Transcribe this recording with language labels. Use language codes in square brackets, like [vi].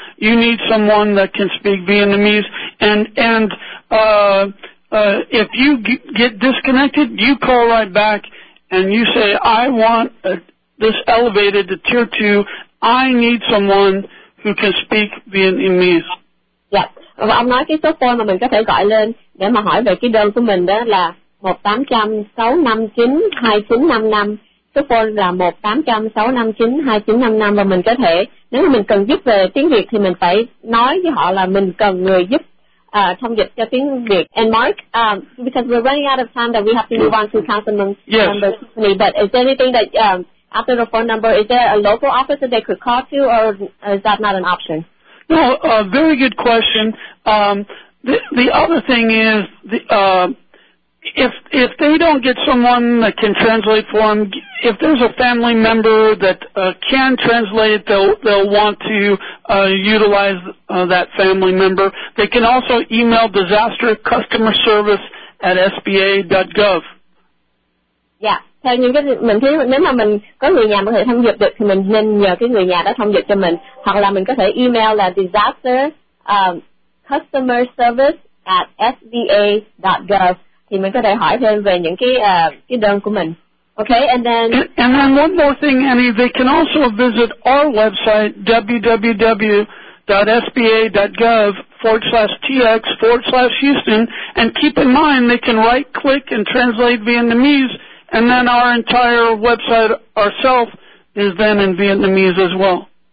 [en] You need someone that can speak Vietnamese. And if you get disconnected, you call right back and you say, I want this elevated to tier 2. I need someone who can speak Vietnamese. [vi] Và ông nói cái số phone mà mình có thể gọi lên để mà hỏi về cái đơn của mình đó là 1-800-659-2955. Số phone là 1-800-659-2955, và mình có thể, nếu mà mình cần giúp về tiếng Việt thì mình phải nói với họ là mình cần người giúp thông dịch cho tiếng Việt. [en] And Mark, because we're running out of time that we have to move on to Councilman Yes. Company, but is there anything that after the phone number, is there a local office that they could call to, or is that not an option? No, a very good question. The other thing is, If they don't get someone that can translate for them, if there's a family member that can translate it, they'll want to utilize that family member. They can also email disastercustomerservice@sba.gov. [vi] Yeah, theo những cái mình thấy nếu mà mình có người nhà mình có thể thông dịch được thì mình nên nhờ cái người nhà đó thông dịch cho mình, hoặc là mình có thể email là disastercustomerservice@sba.gov. Thì mình có thể hỏi thêm về những cái đơn của mình. [en] Okay, and then one more thing, Annie, they can also visit our website www.sba.gov/tx/Houston, and keep in mind they can right click and translate Vietnamese, and then our entire website ourselves is then in Vietnamese as well.